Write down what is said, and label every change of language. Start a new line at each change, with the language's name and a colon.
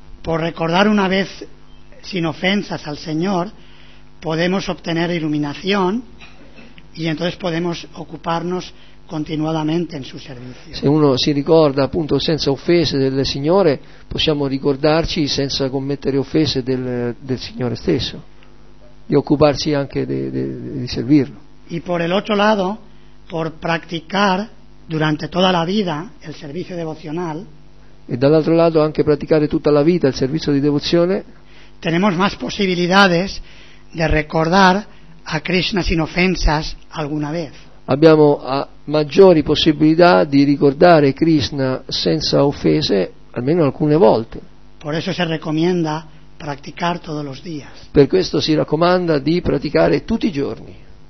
Spanish: Por recordar una vez sin ofensas al Señor, podemos obtener iluminación y entonces podemos ocuparnos continuamente en su servicio.
Italian: Se uno si ricorda appunto senza offese del Signore, possiamo ricordarci senza commettere offese del Signore stesso, di occuparsi anche di servirlo.
Spanish: Y por el otro lado, por practicar durante toda la vida el servicio devocional.
Italian: E dall'altro lato anche praticare tutta la vita il servizio di devozione.
Spanish: Tenemos más posibilidades de recordar a Krishna sin ofensas alguna vez.
Italian: Abbiamo maggiori possibilità di ricordare Krishna senza offese almeno alcune volte.
Spanish: Por eso se recomienda practicar todos los días.
Italian: Per questo si raccomanda di praticare tutti i giorni.